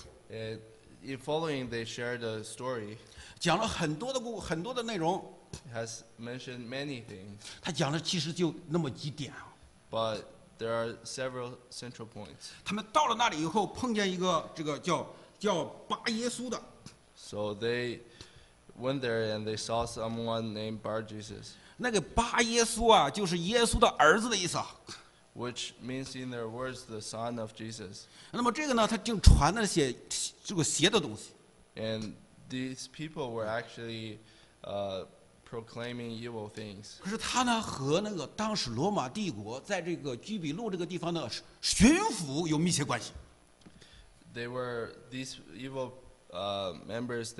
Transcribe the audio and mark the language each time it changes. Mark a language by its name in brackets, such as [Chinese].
[English] In following, they shared a story. [Chinese] 讲了很多的故很多的内容。 [English] Has mentioned many things. [Chinese] 他讲的其实就那么几点。 [English] But there are several central points. [Chinese] 他们到了那里以后，碰见一个这个叫。叫巴耶稣的。 [English] So they went there and they saw someone named Bar Jesus. [Chinese] 那个巴耶稣啊，就是耶稣的儿子的意思。 [English] Which means in their words, the son of Jesus. [Chinese] 那么这个呢，他竟传那些这个邪的东西。 [English] And these people were actually proclaiming evil things. [Chinese] 可是他呢，和那个当时罗马帝国在这个居比路这个地方的巡抚有密切关系。 [English] They were these evil members.